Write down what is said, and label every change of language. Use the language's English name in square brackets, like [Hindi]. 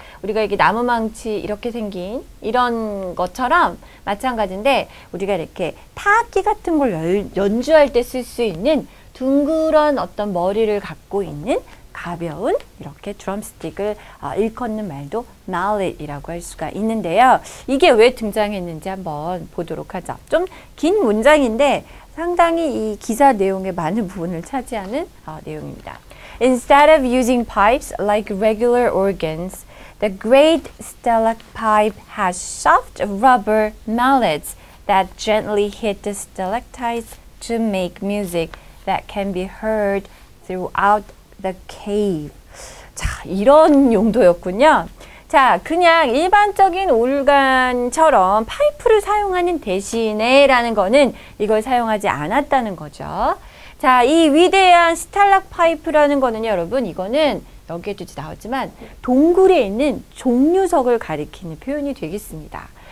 [Korean] 우리가 이게 나무 망치 이렇게 생긴 이런 것처럼 마찬가지인데 우리가 이렇게 타악기 같은 걸 연주할 때 쓸 수 있는 둥그런 어떤 머리를 갖고 있는 가벼운 이렇게 드럼스틱을 일컫는 말도 mallet이라고 할 수가 있는데요. 이게 왜 등장했는지 한번 보도록 하죠. 좀 긴 문장인데 상당히 이 기사 내용의 많은 부분을 차지하는 내용입니다. [English] Instead of using pipes like regular organs, the great stalactite has soft rubber mallets that gently hit the stalactites to make music that can be heard throughout the cave. [Korean] 자, 이런 용도였군요. 자, 그냥 일반적인 오르간처럼 파이프를 사용하는 대신에라는 거는 이걸 사용하지 않았다는 거죠. 자, 이 위대한 스탈락파이프라는 거는요, 여러분, 이거는 여기에도 나왔지만 동굴에 있는 종류석을 가리키는 표현이 되겠습니다.